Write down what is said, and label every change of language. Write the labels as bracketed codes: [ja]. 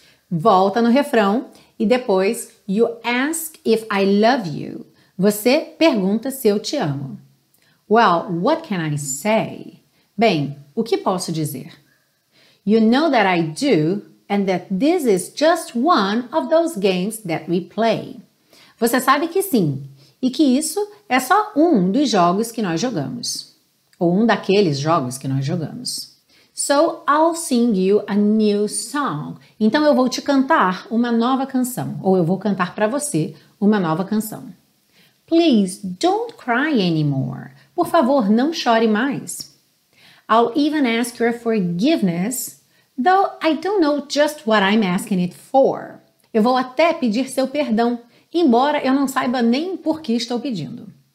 [pt] Volta no refrão e depois [en] you ask if I love you. [pt] Você pergunta se eu te amo. [en] Well, what can I say? [pt] Bem, o que posso dizer? [en] You know that I do, and that this is just one of those games that we play. [pt] Você sabe que sim, e que isso é só um dos jogos que nós jogamos. Ou um daqueles jogos que nós jogamos. [en] So I'll sing you a new song. [pt] Então eu vou te cantar uma nova canção, ou eu vou cantar para você uma nova canção. [en] Please don't cry anymore. [pt] Por favor, não chore mais. [en] I'll even ask your forgiveness, though I don't know just what I'm asking it for. [pt] Eu vou até pedir seu perdão, embora eu não saiba nem por que estou pedindo.